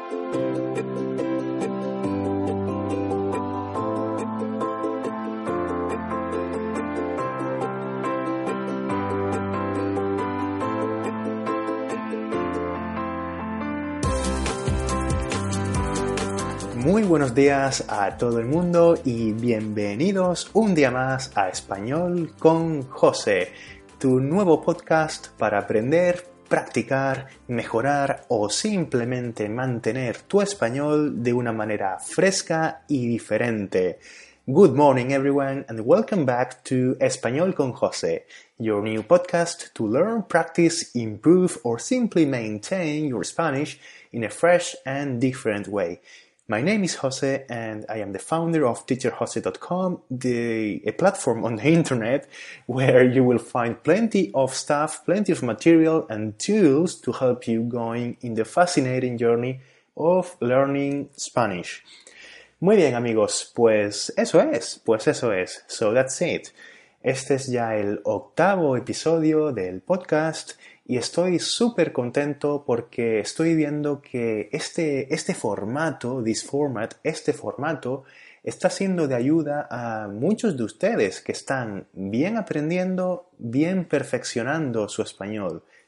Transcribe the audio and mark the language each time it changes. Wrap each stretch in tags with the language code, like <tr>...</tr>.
<es>Muy buenos días a todo el mundo y bienvenidos un día más a Español con José, tu nuevo podcast para aprender, practicar, mejorar o simplemente mantener tu español de una manera fresca y diferente.</es> <en>Good morning everyone and welcome back to Español con José, your new podcast to learn, practice, improve or simply maintain your Spanish in a fresh and different way. My name is José and I am the founder of TeacherJose.com, a platform on the internet where you will find plenty of stuff, plenty of material and tools to help you going in the fascinating journey of learning Spanish.</en> <es>Muy bien, amigos, pues eso es.</es> <en>So that's it.</en> <es>Este es ya el octavo episodio del podcast y estoy súper contento porque estoy viendo que este formato está siendo de ayuda a muchos de ustedes que están bien aprendiendo, bien perfeccionando su español.</es>